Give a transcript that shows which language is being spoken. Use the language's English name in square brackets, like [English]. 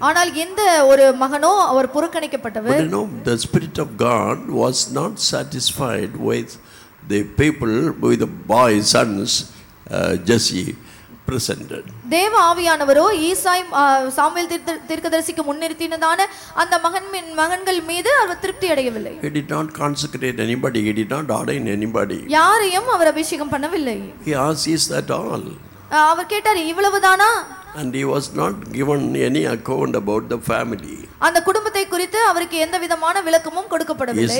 [Tamil] ஆனால் இந்த ஒரு மகனோ அவர் புறக்கணிக்கப்பட்டவர். [English] The spirit of God was not satisfied with the people, with the boy's sons, Jesse. represented. [Tamil] தேவ ஆவியானவரோ ஈசாய் Samuel தீர்க்கதரிசிக்கு முன்னிறுத்தினதான அந்த மகன் மகன்கள் மீது அவர் திருப்தி அடையவில்லை. [English] He did not consecrate anybody. He did not ordain anybody. [Tamil] யாரையும் அவர் அபிஷேகம் பண்ணவில்லை. [English] He asked, "Is that all?" [Tamil] அவர் கேட்டார், இவ்வளவுதானா? [English] And he was not given any account about the family. [Tamil] அந்த குடும்பத்தை குறித்து அவருக்கு எந்தவிதமான விளக்கமும் கொடுக்கப்படவில்லை.